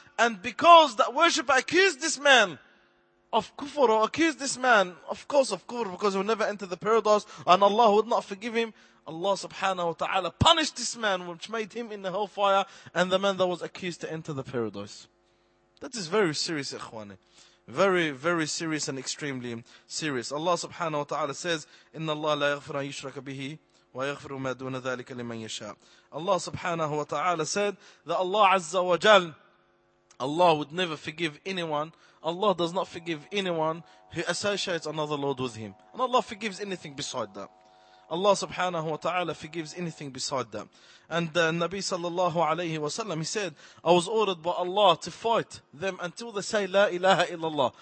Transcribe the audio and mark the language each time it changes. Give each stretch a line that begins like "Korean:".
English: And because that worshipper accused this man of kufr, or accused this man, of course, of kufr, because he would never enter the paradise and Allah would not forgive him, Allah subhanahu wa ta'ala punished this man, which made him in the hellfire, and the man that was accused to enter the paradise. That is very serious, ikhwani. Very, very serious and extremely serious. Allah subhanahu wa ta'ala says,
Arabic: إِنَّ اللَّهَ لَا يَغْفِرَ يُشْرَكَ بِهِ وَيَغْفِرُ مَا دُونَ ذَلِكَ لِمَنْ يَشَاءَ.
English: Allah subhanahu wa ta'ala said that Allah azza wa jal, Allah would never forgive anyone. Allah does not forgive anyone who associates another Lord with him. And Allah forgives anything beside that. Allah subhanahu wa ta'ala forgives anything beside that. And the Nabi sallallahu alayhi wa sallam, he said, I was ordered by Allah to fight them until they say la ilaha illallah.